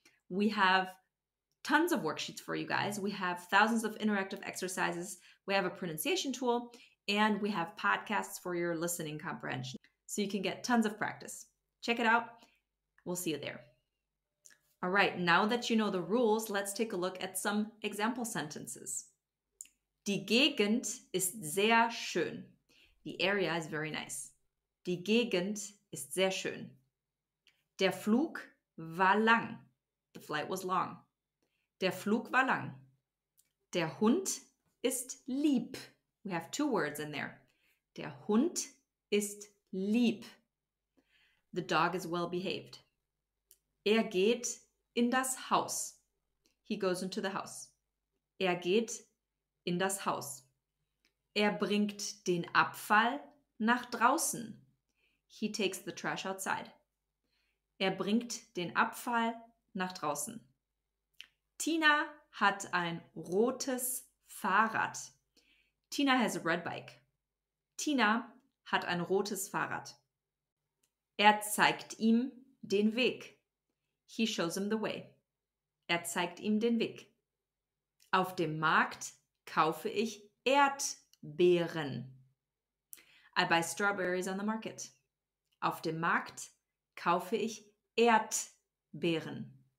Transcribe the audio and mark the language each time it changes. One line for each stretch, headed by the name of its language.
English: We have tons of worksheets for you guys. We have thousands of interactive exercises. We have a pronunciation tool, and we have podcasts for your listening comprehension so you can get tons of practice. Check it out. We'll see you there. All right, now that you know the rules, let's take a look at some example sentences.
German: Die Gegend ist sehr schön.
English: The area is very nice.
German: Die Gegend ist sehr schön. Der Flug war lang.
English: The flight was long.
German: Der Flug war lang. Der Hund ist lieb.
English: We have two words in there.
German: Der Hund ist lieb.
English: The dog is well behaved.
German: Geht in das Haus.
English: He goes into the house.
German: Geht in das Haus. Bringt den Abfall nach draußen.
English: He takes the trash outside.
German: Bringt den Abfall nach draußen. Tina hat ein rotes Fahrrad.
English: Tina has a red bike.
German: Tina hat ein rotes Fahrrad. Zeigt ihm den Weg.
English: He shows him the way.
German: Zeigt ihm den Weg. Auf dem Markt kaufe ich Erdbeeren.
English: I buy strawberries on the market.
German: Auf dem Markt kaufe ich Erdbeeren.